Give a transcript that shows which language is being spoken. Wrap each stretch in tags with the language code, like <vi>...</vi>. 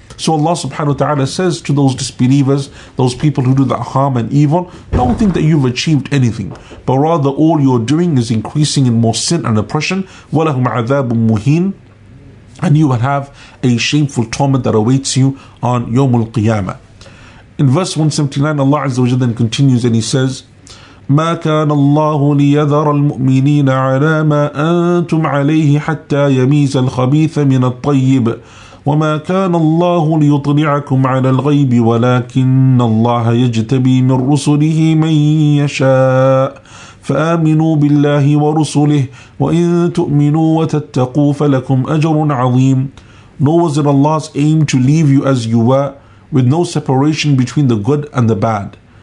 <en>So Allah subhanahu wa ta'ala says to those disbelievers, those people who do that harm and evil, don't think that you've achieved anything, but rather all you're doing is increasing in more sin and oppression.</en> <ar>وَلَهُمْ عَذَابٌ مُهِينٌ.</ar> <en>And you will have a shameful torment that awaits you on يوم القيامة. In verse 179, Allah Azza wa Jalla then continues and he says,</en> <ar>مَا كَانَ اللَّهُ لِيَذَرَ الْمُؤْمِنِينَ عَلَى مَا أَنْتُمْ عَلَيْهِ حَتَّى يَمِيزَ الْخَبِيثَ مِنَ الطَّيِّبِ وما كان الله ليطلعكم على الغيب ولكن الله يجتبي من رسله من يشاء فآمنوا بالله ورسله وإن تؤمنوا وتتقوا فلكم أجر عظيم.</ar> <en>Nor was it Allah's aim to leave you as you were, with no separation between the good and the bad.</en>